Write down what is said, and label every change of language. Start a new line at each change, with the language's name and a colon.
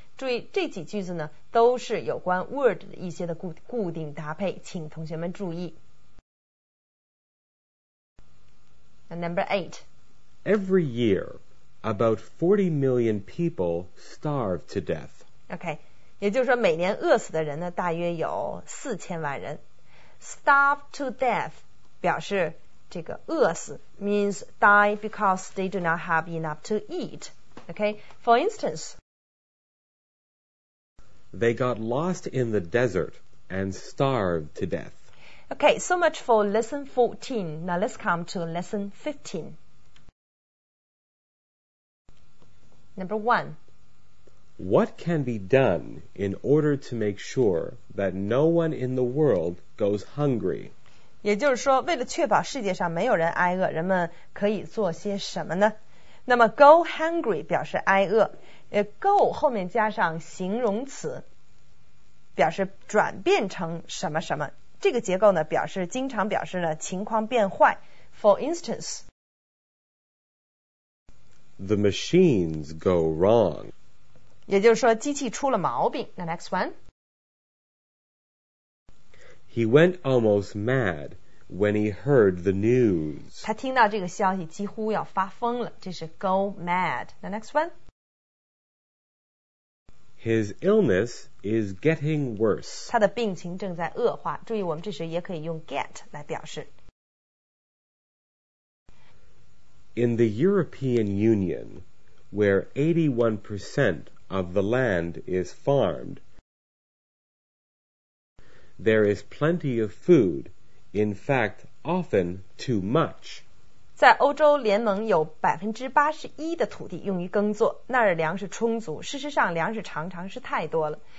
Chinese: 注意这几句子呢，都是有关 word 的一些的固定搭配，请同学们注意。
English: Number eight. Every year, about 40 million people starve to death.
Chinese: Okay, 也就是说每年饿死的人呢，大约有4000万人。
English: Starve to death
Chinese: 表示这个饿死
English: means die because they do not have enough to eat. Okay, for instance, they got lost in the desert and starved to death. Okay, so much for lesson 14. Now let's come to lesson 15. Number one. What can be done in order to make sure that no one in the world goes hungry?
Chinese: 也就是说为了确保世界上没有人挨饿，人们可以做些什么呢？那么
English: go hungry
Chinese: 表示挨饿， go 后面加上形容词表示转变成什么什么，这个结构呢表示经常表示呢情况变坏。
English: For instance, the machines go wrong,
Chinese: 也就是说机器出了毛病。
English: Now next one He went almost mad when he heard the news.
Chinese: 他听到这个消息几乎要发疯了，这是
English: go mad. The next one. His illness is getting worse.
Chinese: 他的病情正在恶化，注意我们这时也可以用 get 来表示。
English: In the European Union, where 81% of the land is farmed,There is plenty of food, in fact, often too much.
Chinese: 在欧洲联盟有81%的土地用于耕作，那儿粮食充足，事实上粮食常常是太多了。